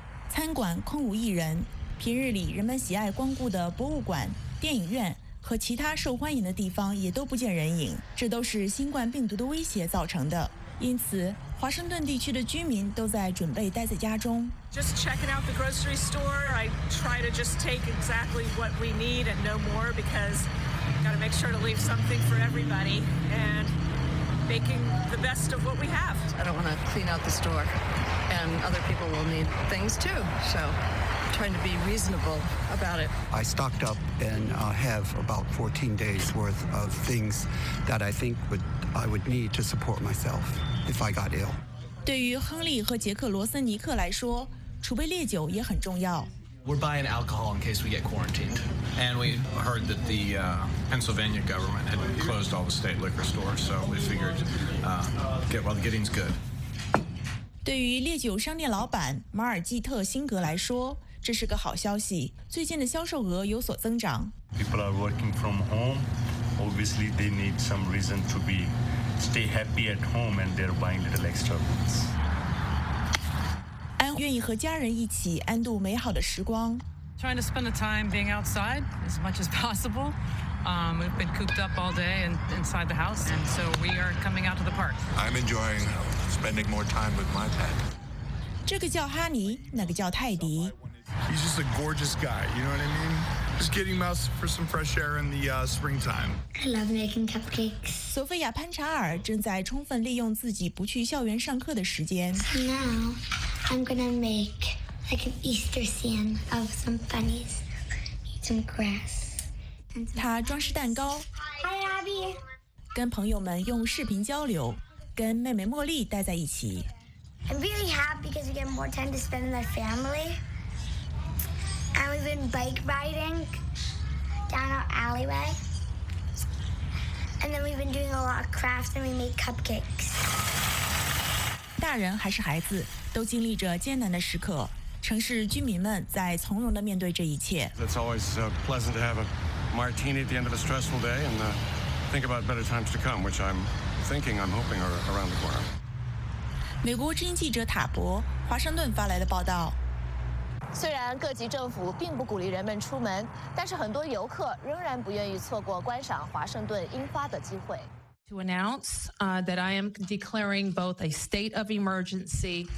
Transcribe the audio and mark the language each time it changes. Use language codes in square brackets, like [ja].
[zh] 餐馆空无一人，平日里人们喜爱光顾的博物馆、电影院和其他受欢迎的地方也都不见人影，这都是新冠病毒的威胁造成的。因此，华盛顿地区的居民都在准备待在家中。 [en] Just checking out the grocery store. I try to just take exactly what we need and no more because got to make sure to leave something for everybody and making the best of what we have. I don't want to clean out the store and other people will need things too. So trying to be reasonable about it. I stocked up and have about 14 days worth of things that I think I would need to support myself if I got ill. [zh] 对于亨利和杰克罗森尼克来说，储备烈酒也很重要。 [en] We're buying alcohol in case we get quarantined, and we heard that the Pennsylvania government had closed all the state liquor stores, so we figured get while the getting's good. [zh] 对于烈酒商店老板马尔基特辛格来说，这是个好消息，最近的销售额有所增长。 [en] People are working from home. Obviously, they need some reason to be stay happy at home, and they're buying little extra goods. [zh] 愿意和家人一起安度美好的时光。 [en] Trying to spend the time being outside as much as possible. We've been cooped up all day and inside the house, and so we are coming out to the park. I'm enjoying spending more time with my pet. [zh] 这个叫哈尼，那个叫泰迪。 [en] He's just a gorgeous guy. You know what I mean? Just getting out for some fresh air in the springtime. I love making cupcakes. [zh] 索菲亚·潘查尔正在充分利用自己不去校园上课的时间。 [en] Now. I'm gonna make like an Easter scene of some bunnies, some grass. [zh] 他装饰蛋糕。 [en] Hi, Abby. [zh] 跟朋友们用视频交流，跟妹妹茉莉待在一起。 [en] I'm really happy because we get more time to spend with our family. And we've been bike riding down our alleyway. And then we've been doing a lot of crafts and we made cupcakes. [zh] 大人还是孩子，都经历着艰难的时刻。城市居民们在从容地面对这一切。 [en] It's always pleasant to have a martini at the end of a stressful day and think about better times to come, which I'm thinking, I'm hoping are around the corner. [zh] 美国之音记者塔博，华盛顿发来的报道。虽然各级政府并不鼓励人们出门，但是很多游客仍然不愿意错过观赏华盛顿樱花的机会。 [en] To announce that I am declaring both a state of emergency.